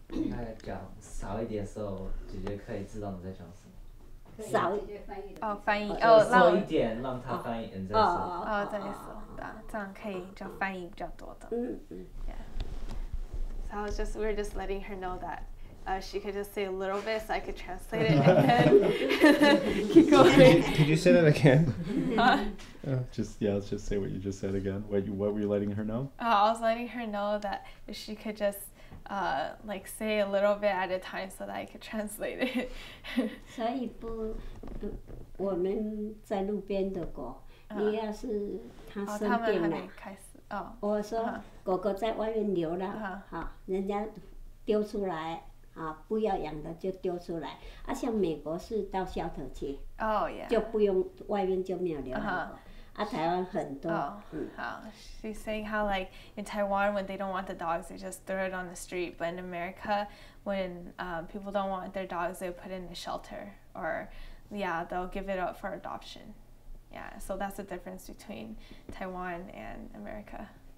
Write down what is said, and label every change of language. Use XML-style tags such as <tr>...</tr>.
<zh>他讲少一点的时候，姐姐可以知道你在讲什么。少哦，翻译哦，少一点让他翻译，你再说。哦，再说，对，这样可以就翻译比较多的。嗯嗯。</zh> <en>Yeah. So I was just, we were just letting her know that, she could just say a little bit, so I could translate it and then keep going. Could you say that again? Huh? Just say what you just said again. What were you letting her know? I was letting her know that she could just. Like say a little bit at a time so that I could translate it.</en> <zh>所以不，我们在路边的狗，你要是它生病了，开始哦。我说狗狗在外面流浪，好，人家丢出来啊，不要养的就丢出来。啊，像美国是到shelter去，哦耶，就不用外面就没有流浪狗。</zh> <en>She's saying how like in Taiwan when they don't want the dogs they just throw it on the street, but in America when people don't want their dogs they put it in a shelter or yeah they'll give it up for adoption. Yeah, so that's the difference between Taiwan and America.</en>